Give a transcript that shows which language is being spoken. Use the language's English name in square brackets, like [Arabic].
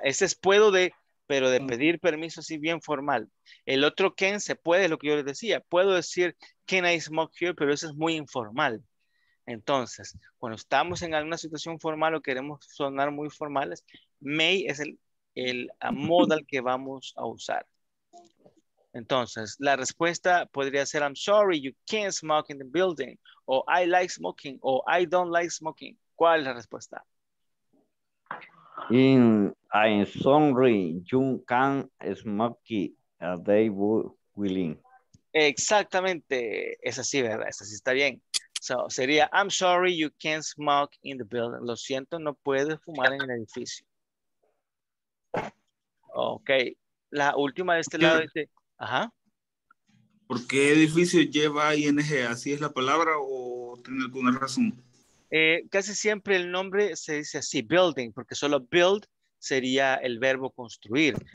[Spanish] Este es puedo de, pero de pedir permiso así bien formal. El otro can se puede, es lo que yo les decía. Puedo decir [English] can I smoke here, [Spanish] pero eso es muy informal. Entonces, cuando estamos en alguna situación formal o queremos sonar muy formales, may es el modal que vamos a usar. Entonces, la respuesta podría ser, [English] I'm sorry, you can't smoke in the building, o I like smoking, o I don't like smoking. [Spanish] ¿Cuál es la respuesta? [English] I'm sorry, you can't smoke here, they were willing. [Spanish] Exactamente, es así, ¿verdad? Es así, está bien. [English] So, sería, I'm sorry, you can't smoke in the building. [Spanish] Lo siento, no puedes fumar en el edificio. Ok. La última de este lado dice, ajá. ¿Por qué edificio lleva ING? ¿Así es la palabra o tiene alguna razón? Casi siempre el nombre se dice así, building, porque solo build sería el verbo construir.